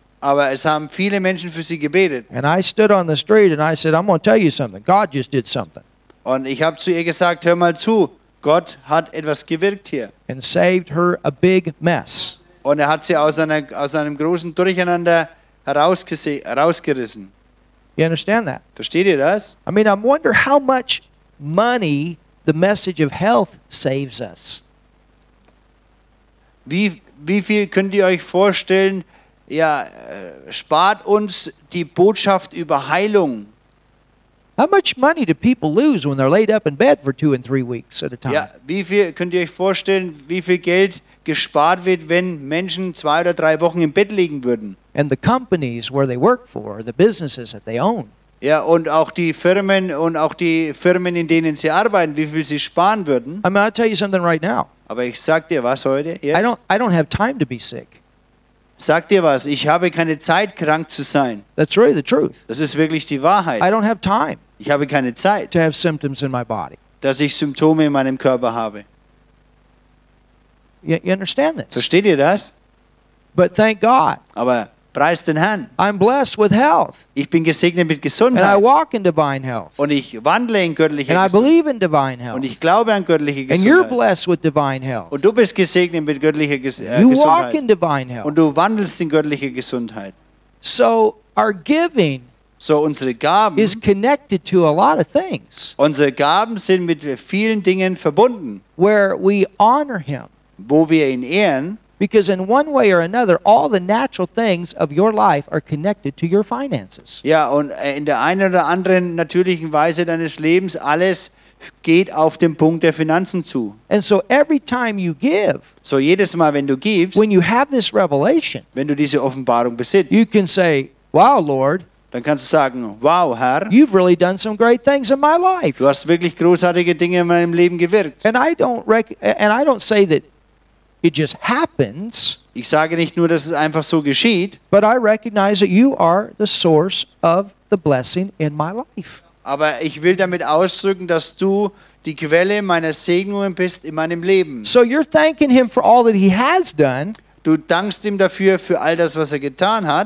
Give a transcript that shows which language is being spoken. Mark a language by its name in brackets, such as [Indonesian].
[German] Aber es haben viele Menschen für sie gebetet. [English] And I stood on the street and I said, I'm going to tell you something. God just did something. [German] Und ich habe zu ihr gesagt, hör mal zu, Gott hat etwas gewirkt hier. [English] And saved her a big mess. [German] Und hat sie aus einem großen Durcheinander herausgerissen. [English] You understand that? [German] Versteht ihr das? [English] I mean, I wonder how much money the message of health saves us. [German] Wie viel könnt ihr euch vorstellen, spart uns die Botschaft über Heilung? [English] How much money do people lose when they're laid up in bed for 2 and 3 weeks at a time? [German] Ja, wie viel könnt ihr euch vorstellen, wie viel Geld gespart wird, wenn Menschen 2 oder 3 Wochen im Bett liegen würden? [English] And the companies where they work for, the businesses that they own. [German] Ja, und auch die Firmen, in denen sie arbeiten, wie viel sie sparen würden. [English] I mean, I'll tell you something right now. [German] Aber ich sag dir was heute. Jetzt. [English] I don't have time to be sick. [German] Sag dir was, ich habe keine Zeit, krank zu sein. [English] That's really the truth. [German] Das ist wirklich die Wahrheit. [English] I don't have time. [German] Ich habe keine Zeit. [English] To have symptoms in my body. [German] Dass ich Symptome in meinem Körper habe. [English] You understand this? [German] Versteht ihr das? [English] But thank God. [German] Aber preist den Herrn. [English] I'm blessed with health. [German] Ich bin gesegnet mit Gesundheit. [English] And I walk in divine health. [German] Und ich wandle in göttlicher Gesundheit. [English] And I believe in divine health. [German] Und ich glaube an göttliche Gesundheit. [English] And you're blessed with divine health. [German] Und du bist gesegnet mit göttlicher Gesundheit. [English] You walk in divine health. [German] Und du wandelst in göttlicher Gesundheit. [English] So our giving, [German] so unsere Gaben, [English] is connected to a lot of things. [German] Unsere Gaben sind mit vielen Dingen verbunden. [English] Where we honor him. [German] Wo wir ihn ehren. [English] Because in one way or another, all the natural things of your life are connected to your finances. [German] Ja, und in der einen oder anderen natürlichen Weise deines Lebens, alles geht auf den Punkt der Finanzen zu. [English] And so every time you give, [German] so jedes Mal, wenn du gibst, [English] when you have this revelation, [German] wenn du diese Offenbarung besitzt, [English] you can say, wow, Lord, [German] dann kannst du sagen, wow, Herr, [English] you've really done some great things in my life. [German] Du hast wirklich großartige Dinge in meinem Leben gewirkt. [English] And I don't say that it just happens. [German] Ich sage nicht nur, dass es einfach so geschieht. [English] But I recognize that you are the source of the blessing in my life. [German] Aber ich will damit ausdrücken, dass du die Quelle meiner Segnungen bist in meinem Leben. [English] So you're thanking him for all that he has done. [German] Du dankst ihm dafür für all das, was getan hat.